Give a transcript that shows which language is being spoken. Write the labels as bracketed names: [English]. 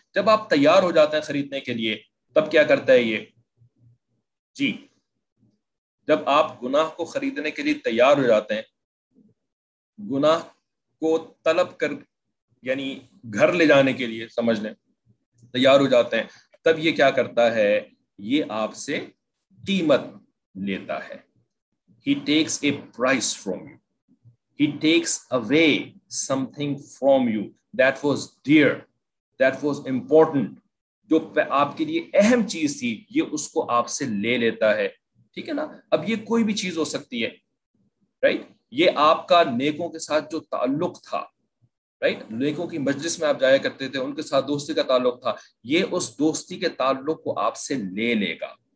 [Urdu] جب آپ تیار ہو جاتے ہیں خریدنے کے لیے تب کیا کرتا ہے یہ, جی جب آپ گناہ کو خریدنے کے لیے تیار ہو جاتے ہیں, گناہ کو طلب کر یعنی گھر لے جانے کے لیے سمجھ لیں تیار ہو جاتے ہیں, تب یہ کیا کرتا ہے, یہ آپ سے قیمت لیتا ہے. [English] He takes a price from you. He takes away something from you that was dear, that was important. [Urdu] جو آپ کے لیے اہم چیز تھی یہ اس کو آپ سے لے لیتا ہے, ٹھیک ہے نا. اب یہ کوئی بھی چیز ہو سکتی ہے, رائٹ. یہ آپ کا نیکوں کے ساتھ جو تعلق تھا, رائٹ, نیکوں کی مجلس میں آپ جایا کرتے تھے, ان کے ساتھ دوستی کا تعلق تھا, یہ اس دوستی کے تعلق کو آپ سے لے لے گا.